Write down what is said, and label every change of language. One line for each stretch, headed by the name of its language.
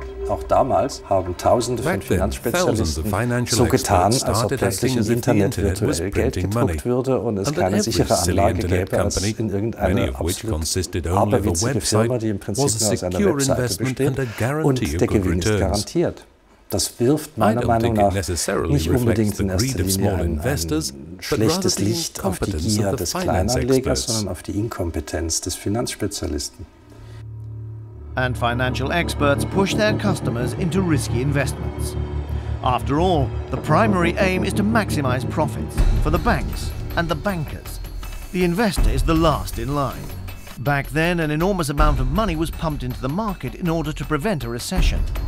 English: Back then, thousands of financial experts started acting as if the internet was printing money, and that every silly internet company, many of which consisted only of a website, was a secure investment and a guarantee of good returns.
German: Das wirft meiner Meinung nach nicht unbedingt in erster Linie ein schlechtes Licht auf die Gier des Kleinanlegers, sondern auf die Inkompetenz des Finanzspezialisten.
English: And financial experts push their customers into risky investments. After all, the primary aim is to maximize profits for the banks and the bankers. The investor is the last in line. Back then, an enormous amount of money was pumped into the market in order to prevent a recession.